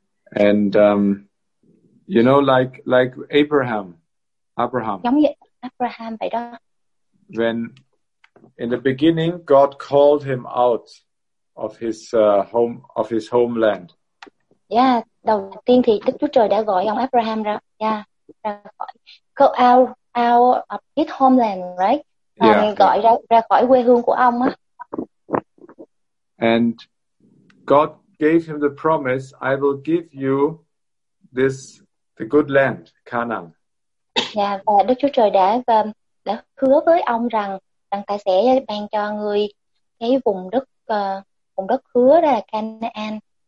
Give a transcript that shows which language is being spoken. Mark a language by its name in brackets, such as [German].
[English] And you know, like Abraham. [Vietnamese] Giống như Abraham vậy đó. [English] When in the beginning God called him out of his homeland. [Vietnamese] Yeah, đầu tiên thì Đức Chúa Trời đã gọi ông Abraham ra, ra khỏi [English] out of his homeland, right? Yeah. [Vietnamese] Gọi ra khỏi quê hương của ông á. [English] And God gave him the promise, I will give you the good land, Canaan. [Vietnamese] Yeah, và Đức Chúa Trời đã hứa với ông rằng ta sẽ ban cho người cái vùng đất hứa là Canaan.